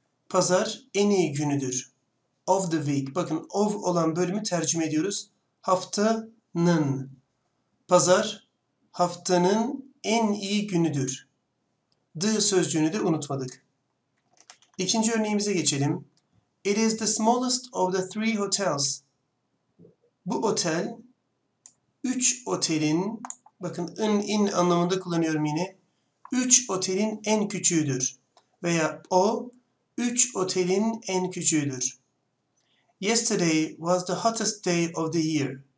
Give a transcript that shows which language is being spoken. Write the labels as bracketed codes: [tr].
[tr] Pazar en iyi günüdür. [en] Of the week. [tr] Bakın, of olan bölümü tercüme ediyoruz. Haftanın. Pazar haftanın en iyi günüdür. The sözcüğünü de unutmadık. İkinci örneğimize geçelim. [en] It is the smallest of the three hotels. [tr] Bu otel, üç otelin, bakın ın, in anlamında kullanıyorum yine, üç otelin en küçüğüdür. Veya o, üç otelin en küçüğüdür. [en] Yesterday was the hottest day of the year.